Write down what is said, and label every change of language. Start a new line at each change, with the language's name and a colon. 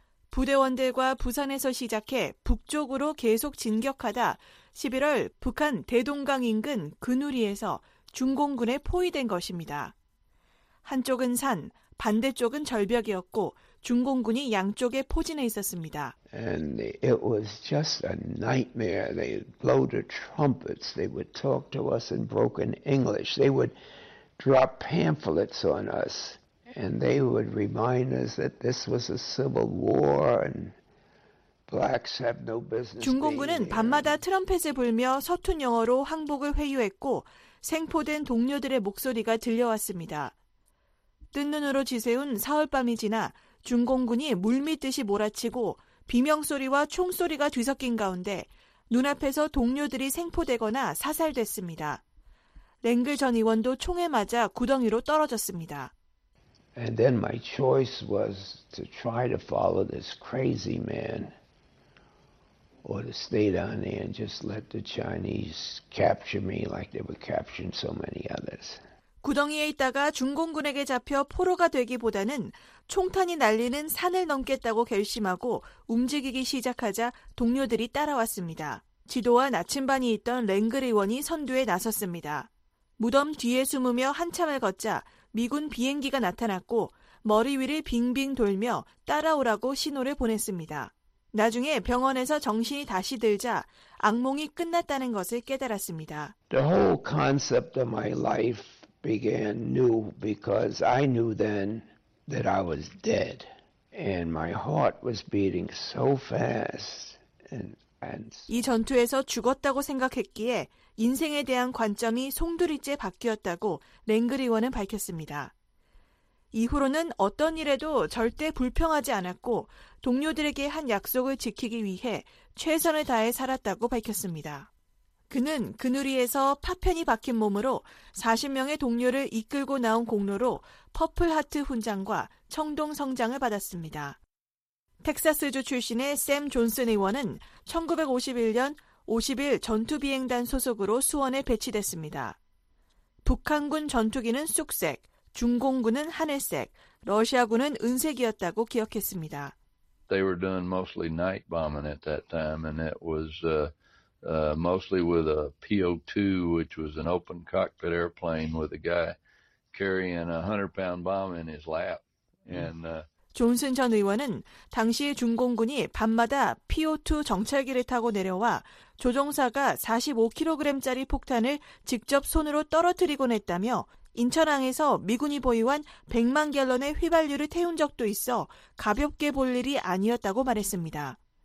Korean: 부대원들과 부산에서 시작해 북쪽으로 계속 진격하다 11월 북한 대동강 인근 근우리에서 중공군에 포위된 것입니다. 한쪽은 산, 반대쪽은 절벽이었고 중공군이 양쪽에 포진해 있었습니다.
English: And it was just a nightmare. They blow the trumpets. They would talk to us in broken English. They would drop pamphlets on us. And they would remind us that this was a civil war and blacks have no business.
Korean: 중공군은 밤마다 트럼펫을 불며 서툰 영어로 항복을 회유했고 생포된 동료들의 목소리가 들려왔습니다. 뜬눈으로 지새운 사흘밤이 지나 중공군이 물밀듯이 몰아치고 비명소리와 총소리가 뒤섞인 가운데 눈앞에서 동료들이 생포되거나 사살됐습니다. 랭글 전 의원도 총에 맞아 구덩이로 떨어졌습니다.
English: And then my choice was to try to follow this crazy man or to stay down there and just let the Chinese capture me like they were capturing so many others.
Korean: 구덩이에 있다가 중공군에게 잡혀 포로가 되기보다는 총탄이 날리는 산을 넘겠다고 결심하고 움직이기 시작하자 동료들이 따라왔습니다. 지도와 나침반이 있던 랭글 의원이 선두에 나섰습니다. 무덤 뒤에 숨으며 한참을 걷자 미군 비행기가 나타났고 머리 위를 빙빙 돌며 따라오라고 신호를 보냈습니다. 나중에 병원에서 정신이 다시 들자 악몽이 끝났다는 것을 깨달았습니다.
English: The whole concept of my life began new because I knew then that I was dead and my heart was beating so fast and
Korean: 이 전투에서 죽었다고 생각했기에 인생에 대한 관점이 송두리째 바뀌었다고 랭글 의원은 밝혔습니다. 이후로는 어떤 일에도 절대 불평하지 않았고 동료들에게 한 약속을 지키기 위해 최선을 다해 살았다고 밝혔습니다. 그는 그누리에서 파편이 박힌 몸으로 40명의 동료를 이끌고 나온 공로로 퍼플하트 훈장과 청동성장을 받았습니다. 텍사스주 출신의 샘 존슨 의원은 1951년 50일 전투비행단 소속으로 수원에 배치됐습니다. 북한군 전투기는 쑥색, 중공군은 하늘색, 러시아군은 은색이었다고 기억했습니다.
English: They were doing mostly night bombing at that time, and it was mostly with a PO2, which was an open cockpit airplane with a guy carrying a 100-pound bomb in his lap. And
Korean: 존슨 전 의원은 당시 중공군이 밤마다 PO2 정찰기를 타고 내려와 조종사가 45kg짜리 폭탄을 직접 손으로 떨어뜨리곤 했다며 인천항에서 미군이 보유한 100만 갤런의 휘발유를 태운 적도 있어 가볍게 볼 일이 아니었다고 말했습니다.